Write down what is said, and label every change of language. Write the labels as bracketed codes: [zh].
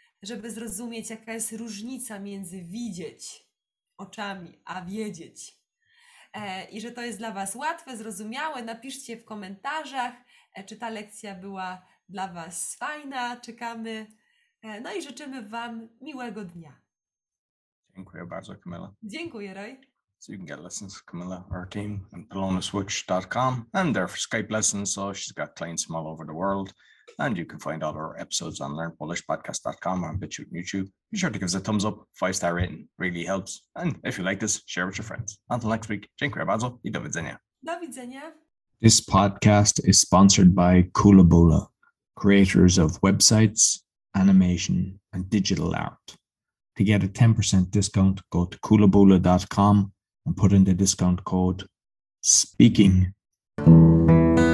[pl] żeby zrozumieć, jaka jest różnica między widzieć oczami, a wiedzieć. I że to jest dla Was łatwe, zrozumiałe. Napiszcie w komentarzach, czy ta lekcja była dla Was fajna. Czekamy. No i życzymy Wam miłego dnia. Dziękuję bardzo, Kamila. Dziękuję, Roy. [en] So you can get lessons with Kamila, our team, and PolonaSwitch.com. And there for Skype lessons. So she's got clients from all over the world. And you can find all our episodes on LearnPolishPodcast.com or on BitChute and YouTube. Be sure to give us a thumbs up. 5-star rating really helps. And if you like this, share with your friends. Until next week, [pl] dziękuję bardzo I do widzenia. Do widzenia. [en] This podcast is sponsored by Koolaboola, creators of websites, animation, and digital art. To get a 10% discount, go to koolaboola.com and put in the discount code SPEAKING.